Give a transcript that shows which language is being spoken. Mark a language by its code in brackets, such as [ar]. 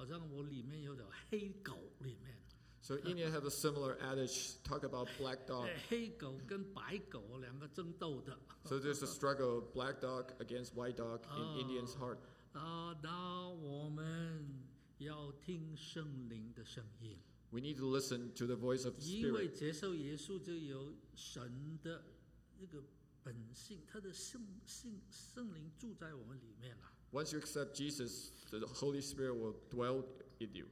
[zh] 那些印第安人也有一个形容啊，他说拿我的，好像我里面有条黑狗里面。So [en] India have a similar adage, talk about black dog. [zh] 黑狗跟白狗两个争斗的。So [en] there's a struggle, of black dog against white dog in Indian's heart. [zh] 那我们。要听圣灵的声音, [en] we need to listen to the voice of the Spirit. [zh] 因为接受耶稣就有神的一个本性, 他的圣灵住在我们里面了。 [en] Once you accept Jesus, the Holy Spirit will dwell in you.